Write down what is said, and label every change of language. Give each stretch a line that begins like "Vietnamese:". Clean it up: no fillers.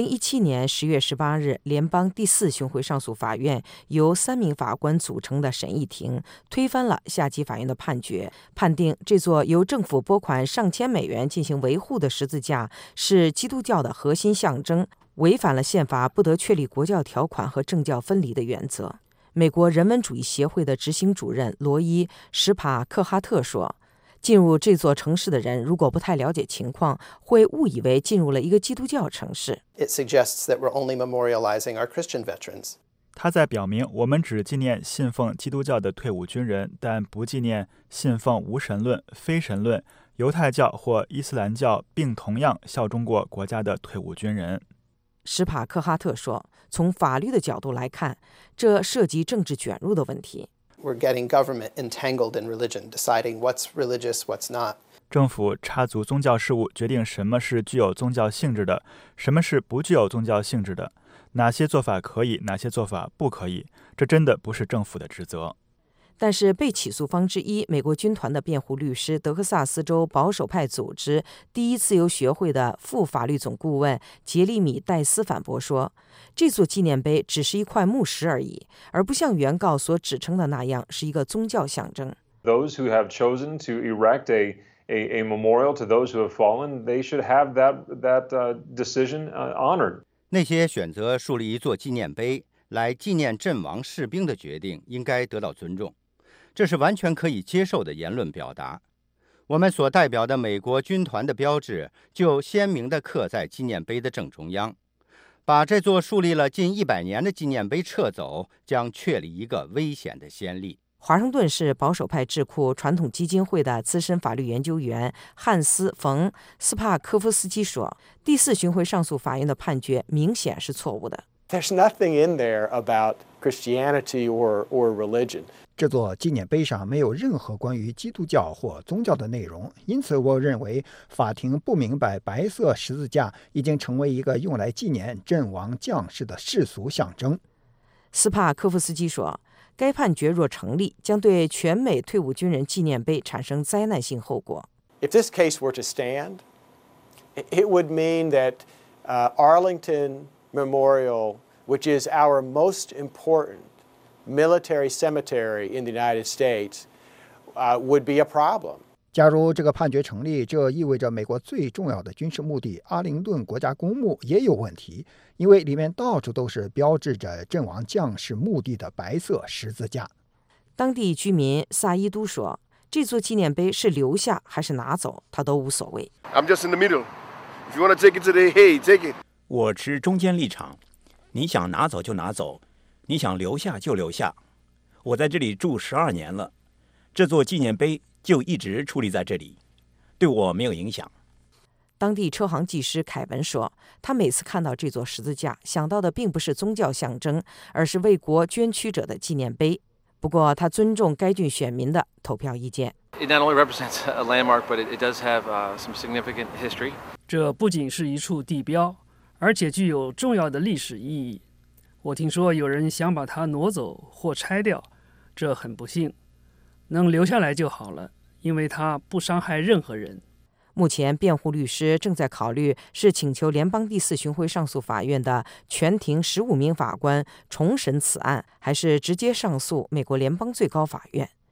Chinese: 2017年10月18日，联邦第四巡回上诉法院由3名法官组成的审议庭推翻了下级法院的判决，判定这座由政府拨款$1000,000进行维护的十字架是基督教的核心象征，违反了宪法不得确立国教条款和政教分离的原则。美国人文主义协会的执行主任罗伊·史帕克哈特说，进入这座城市的人如果不太了解情况，会误以为进入了一个基督教城市。
English: It suggests that we're only memorializing our Christian veterans.
Chinese: 他在表明我们只纪念信奉基督教的退伍军人，但不纪念信奉无神论、非神论、犹太教或伊斯兰教并同样效忠过国家的退伍军人。史帕克哈特说，从法律的角度来看，这涉及政治卷入的问题。
English: We're getting government entangled in religion, deciding what's religious, what's not.
Chinese: 政府插足宗教事务，决定什么是具有宗教性质的，什么是不具有宗教性质的，哪些做法可以，哪些做法不可以，这真的不是政府的职责。但是被起诉方之一美国军团的辩护律师、德克萨斯州保守派组织第一自由学会的副法律总顾问杰利米·戴斯反驳说，这座纪念碑只是一块墓石而已，而不像原告所指称的那样是一个宗教象征。
English: Those who have chosen to erect a memorial to those who have fallen, they should have that decision honored.
Chinese: 那些选择树立一座纪念碑来纪念阵亡士兵的决定应该得到尊重，这是完全可以接受的言论表达。我们所代表的美国军团的标志就鲜明地刻在纪念碑的正中央，把这座树立了近100年的纪念碑撤走，将确立一个危险的先例。华盛顿市保守派智库传统基金会的资深法律研究员汉斯·冯·斯帕科夫斯基说，第四巡回上诉法院的判决明显是错误的。
English: There's nothing in there about Christianity or religion.
Chinese: 这座纪念碑上没有任何关于基督教或宗教的内容，因此我认为法庭不明白白色十字架已经成为一个用来纪念阵亡将士的世俗象征。斯帕科夫斯基说，该判决若成立，将对全美退伍军人纪念碑产生灾难性后果。
English: If this case were to stand, it would mean that Arlington Memorial, which is our most important military cemetery in the United States, would be a problem.
Chinese: 假如这个判决成立，这意味着美国最重要的军事墓地阿灵顿国家公墓也有问题，因为里面到处都是标志着阵亡将士墓地的白色十字架。当地居民萨伊都说，这座纪念碑是留下还是拿走，他都无所谓。
English: I'm just in the middle. If you want to take it today, hey, take it.
Chinese: 我持中间立场，你想拿走就拿走，你想留下就留下。我在这里住12年了，这座纪念碑就一直矗立在这里，对我没有影响。当地车行技师凯文说，他每次看到这座十字架，想到的并不是宗教象征，而是为国捐躯者的纪念碑。不过他尊重该郡选民的投票意见。
English: It not only represents a landmark, but it does have some significant history.
Chinese: 这不仅是一处地标，而且具有重要的历史意义。我听说有人想把它挪走或拆掉，这很不幸。能留下来就好了，因为它不伤害任何人。目前辩护律师正在考虑是请求联邦第四巡回上诉法院的全庭15名法官重审此案，还是直接上诉美国联邦最高法院。